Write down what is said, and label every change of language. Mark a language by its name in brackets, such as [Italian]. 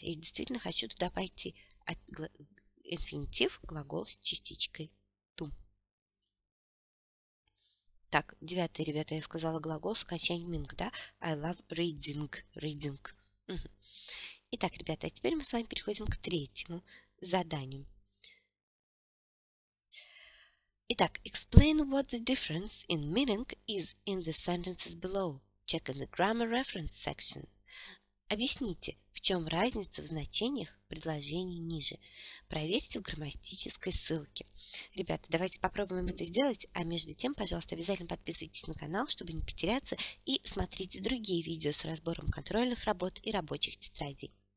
[Russian] Я действительно хочу туда пойти. Инфинитив, глагол с частичкой to. Так, девятое, ребята, я сказала глагол с окончанием ing, да? [English] I love reading. Reading. [Russian] Итак, ребята, а теперь мы с вами переходим к третьему заданию. Итак, [English] explain what the difference in meaning is in the sentences below. Check in the grammar reference section. [Russian] Объясните, в чем разница в значениях предложений ниже. Проверьте в грамматической ссылке. Ребята, давайте попробуем это сделать, а между тем, пожалуйста, обязательно подписывайтесь на канал, чтобы не потеряться, и смотрите другие видео с разбором контрольных работ и рабочих тетрадей.